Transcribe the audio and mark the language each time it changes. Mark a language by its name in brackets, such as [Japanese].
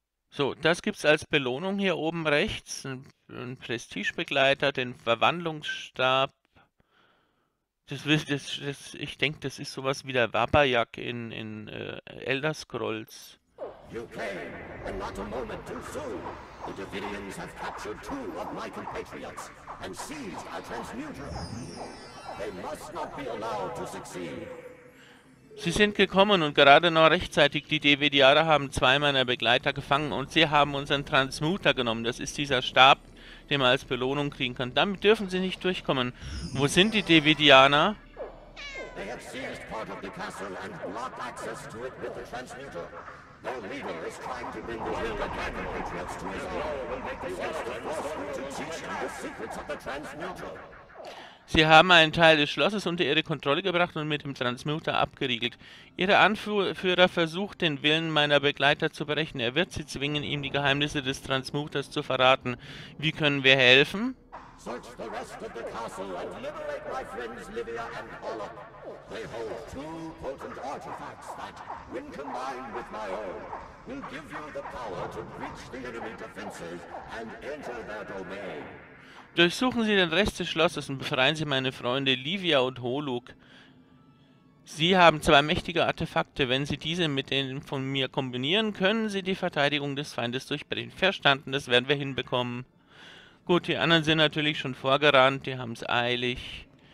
[German] So, das gibt's als Belohnung hier oben rechts. Ein Prestigebegleiter, den Verwandlungsstab. Ich denke, das ist sowas wie der Wabayak in Elder Scrolls. [English] You came, and not a moment too soon. The Davidians have captured two of my compatriots and seized our transmuter. They must not be allowed to succeed. [German] Sie sind gekommen und gerade noch rechtzeitig. Die Davidianer haben zwei meiner Begleiter gefangen und sie haben unseren Transmuter genommen. Das ist dieser Stab, den man als Belohnung kriegen kann. Damit dürfen sie nicht durchkommen. Wo sind die Davidianer? [English] They have seized part of the castle and blocked access to it with the transmuter. Their leader is trying to bring the will of their compatriots to his own. [German] Sie haben einen Teil des Schlosses unter ihre Kontrolle gebracht und mit dem Transmuter abgeriegelt. Ihr Anführer versucht, den Willen meiner Begleiter zu brechen. Er wird sie zwingen, ihm die Geheimnisse des Transmuters zu verraten. Wie können wir helfen? [English] Search the rest of the castle and liberate my friends Livia and Hollop. They hold two potent artifacts that, when combined with my own, will give you the power to breach the enemy defenses and enter their domain. [German] Durchsuchen Sie den Rest des Schlosses und befreien Sie meine Freunde Livia und Holuk. Sie haben zwei mächtige Artefakte. Wenn Sie diese mit denen von mir kombinieren, können Sie die Verteidigung des Feindes durchbrechen. Verstanden, das werden wir hinbekommen. Gut, die anderen sind natürlich schon vorgerannt, die haben es eilig.